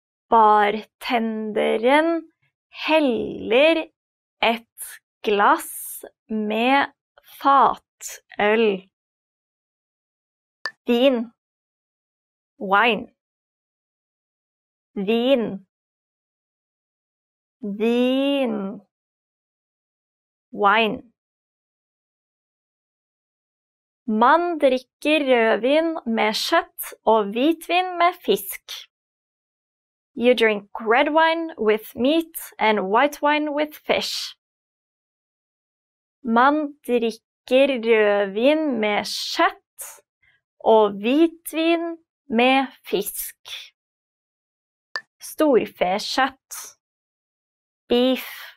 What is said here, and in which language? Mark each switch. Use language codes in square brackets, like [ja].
[no] Bartenderen heller et glass med fatøl. Vin. [en] Wine. [no] Vin. Vin. [en] Wine. [no] Man drikker rødvin med kjøtt og hvitvin med fisk. [en] You drink red wine with meat and white wine with fish. [no] Man drikker rødvin med kjøtt og hvitvin med fisk. Storfekjøtt. [en] Beef.